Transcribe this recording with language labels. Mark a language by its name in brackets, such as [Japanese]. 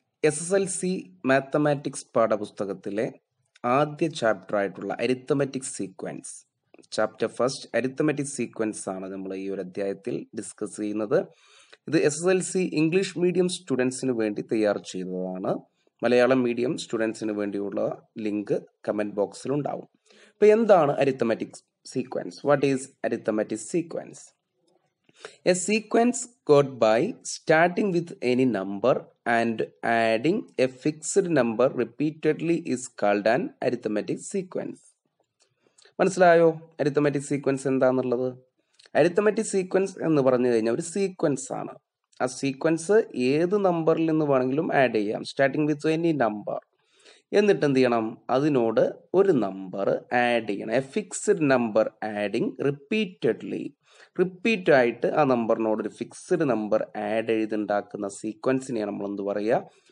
[Malayalam] SSLC mathematics പാഠപുസ്തകത്തിലെ ആദ്യ chapter ആയിട്ടുള്ള arithmetic sequence, chapter first arithmetic sequence ആണ് നമ്മൾ ഈ ഒരു അധ്യായത്തിൽ ഡിസ്കസ് ചെയ്യുന്നത്. ഇത് SSLC ഇംഗ്ലീഷ് മീഡിയം സ്റ്റുഡൻസിന് വേണ്ടി തയ്യാർ ചെയ്തതാണ്. മലയാളം മീഡിയം സ്റ്റുഡൻസിന് വേണ്ടിയുള്ള ലിങ്ക് കമൻറ്റ് ബോക്സിൽ ഉണ്ടാവും. ഇപ്പൊ എന്താണ് arithmetic sequence? [English] What is arithmetic sequence? A sequence got by starting with any number and adding a fixed number repeatedly is called an arithmetic sequence. [Malayalam] മനസ്സിലായോ arithmetic sequence എന്താണെന്നുള്ളത്? arithmetic sequence എന്ന് പറഞ്ഞു കഴിഞ്ഞാൽ ഒരു സീക്വൻസ് ആണ്. ആ സീക്വൻസ് ഏത് നമ്പറിൽ നിന്ന് വേണമെങ്കിലും ആഡ് ചെയ്യാം, [English] Starting with any number. [Malayalam] എന്നിട്ട് എന്ത് ചെയ്യണം? അതിനോട് ഒരു നമ്പർ ആഡ് ചെയ്യണം. [English] a fixed number adding repeatedly, [Malayalam] repeat ആയിട്ട് ആ നമ്പറിനോട് ഒരു ഫിക്സ്ഡ് നമ്പർ ആഡ് എഴുതുണ്ടാക്കുന്ന സീക്വൻസിനെ നമ്മൾ എന്ത് പറയുക?